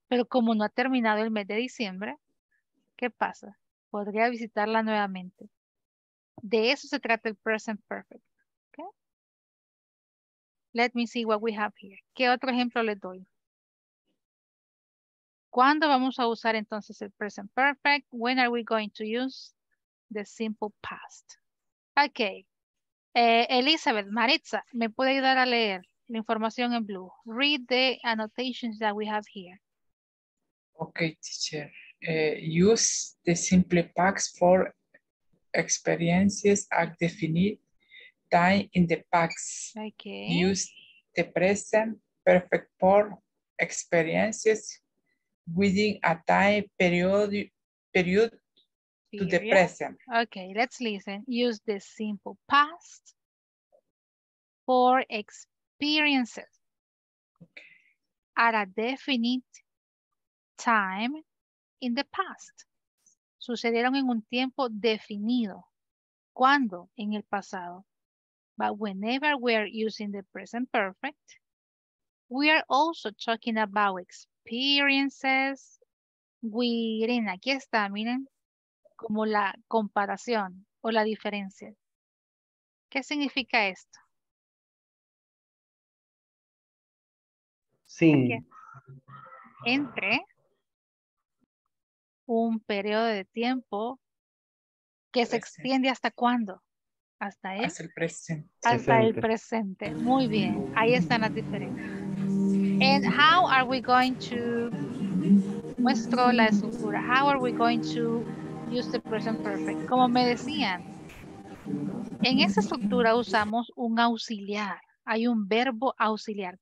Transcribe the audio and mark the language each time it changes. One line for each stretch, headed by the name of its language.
Spanish: Pero como no ha terminado el mes de diciembre, ¿qué pasa? Podría visitarla nuevamente. De eso se trata el present perfect. ¿Ok?
English: Let me see what we have here.
Spanish: ¿Qué otro ejemplo les doy? ¿Cuándo vamos a usar entonces el present perfect?
English: When are we going to use the simple past? Ok.
Spanish: Elizabeth, Maritza, ¿me puede ayudar a leer la información en blue?
English: Read the annotations that we have here. Ok, teacher. Use the simple past for experiences at definite time in the past. Ok. Use the present perfect for experiences within a time period to the present. Okay, let's listen. Use the simple past for experiences at a definite time in the past.
Spanish: Sucedieron en un tiempo definido. ¿Cuándo? En el pasado.
English: But whenever we are using the present perfect, we are also talking about experiences within.
Spanish: Aquí está, miren, como la comparación o la diferencia. ¿Qué significa esto? Sin. Entre un periodo de tiempo que se extiende hasta cuándo. Hasta el presente. Hasta el presente. Muy bien. Ahí están las diferencias.
English: And how are we going to,
Spanish: muestro la estructura,
English: how are we going to use the present perfect?
Spanish: Como me decían, en esa estructura usamos un auxiliar, hay un verbo auxiliar.